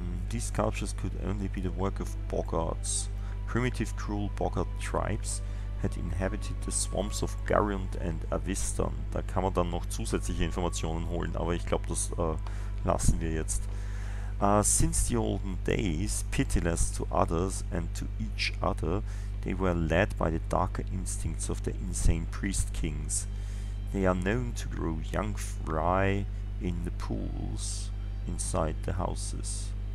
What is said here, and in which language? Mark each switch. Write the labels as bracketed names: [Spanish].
[English] These sculptures could only be the work of boggarts. Primitive cruel boggart tribes had inhabited the swamps of Garund and Avistan. [German] Da kann man dann noch zusätzliche Informationen holen, aber ich glaube, das lassen wir jetzt. [English] Since the olden days, pitiless to others and to each other, they were led by the darker instincts of the insane priest kings. They are known to grow young fry in the pools inside the houses.